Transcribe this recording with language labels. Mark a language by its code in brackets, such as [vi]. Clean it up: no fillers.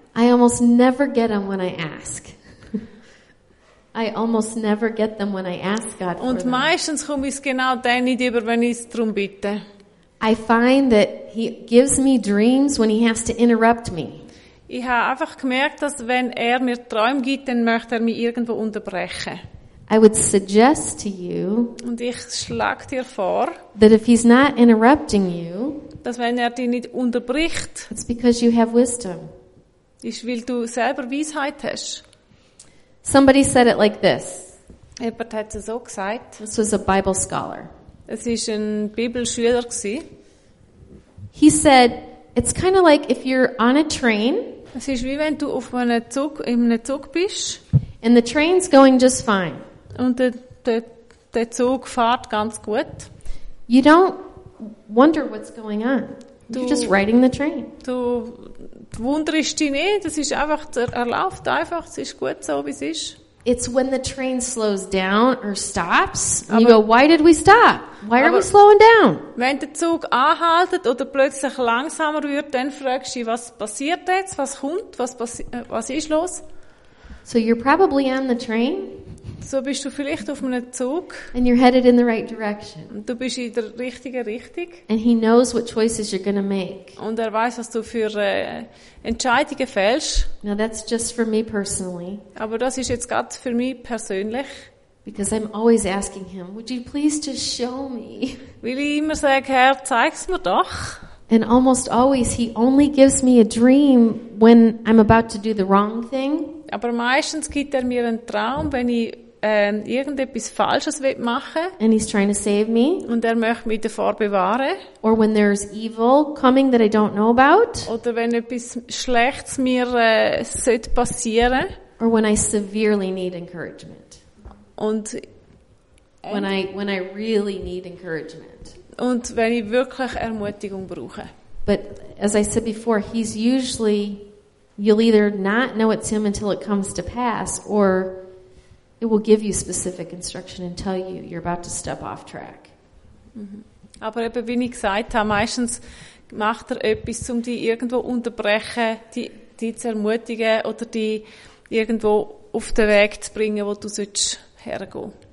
[en] I almost never get them when I ask. I almost never get them when I ask God for them. [de] Und meistens komme ich genau dann nicht über, wenn ich es darum bitte. [en] I find that he gives me dreams when he has to interrupt me. [de] Ich habe einfach gemerkt, dass wenn er mir Träume gibt, dann möchte er mich irgendwo unterbrechen. [en] I would suggest to you [de] und ich schlag dir vor, [en] that if he's not interrupting you, [de] dass wenn er dich nicht unterbricht, [en] it's because you have wisdom. [de] Ist, weil du selber Weisheit hast. [en] Somebody said it like this. [de] Jemand hat es so gesagt. [en] This was a Bible scholar. [de] Es ist ein Bibelschüler gsi. [en] He said, it's kind of like if you're on a train. [de] Es ist wie wenn du auf einem Zug, in einem Zug bist. [en] And the train's going just fine. [de] Und der Zug fährt ganz gut. [en] You don't wonder what's going on. You're just riding the train. [de] Du wunderst dich nicht. Das ist einfach, er läuft einfach. Es ist gut so, wie es ist. [en] It's when the train slows down or stops. And you go, why did we stop? Why are we slowing down? [de] Wenn der Zug anhaltet oder plötzlich langsamer wird, dann fragst du dich, was passiert jetzt? Was kommt? Was ist los? [en] So you're probably on the train. [de] So bist du vielleicht auf einem Zug. [en] And you're headed in the right direction. [de] Und du bist in der richtigen Richtung. [en] And he knows what choices you're going to make. [de] Und er weiß, was du für Entscheidungen fällst. [en] Now that's just for me personally. [de] Aber das ist jetzt gerade für mich persönlich. [en] Because I'm always asking him, would you please just show me? [de] Will ich immer sagen, Herr, zeig's mir doch. [en] And almost always he only gives me a dream when I'm about to do the wrong thing. [de] Aber meistens gibt er mir einen Traum, wenn ich irgendetwas Falsches machen will. [en] And he's trying to save me. [de] Und er möchte mich davor bewahren. [en] Or when there's evil coming that I don't know about. [de] Oder wenn etwas Schlechtes mir passieren sollte. [en] Or when I severely need encouragement. [de] Und [en] when I really need encouragement. [de] Und wenn ich wirklich Ermutigung brauche. [en] But as I said before, he's usually... You'll either not know it's him until it comes to pass, or it will give you specific instruction and tell you you're about to step off track. Mm-hmm. [de] Aber eben wie ich gesagt habe, meistens macht er etwas, um die irgendwo unterbrechen, die zu ermutigen oder die irgendwo auf den Weg zu bringen, wo du sollst hergehen.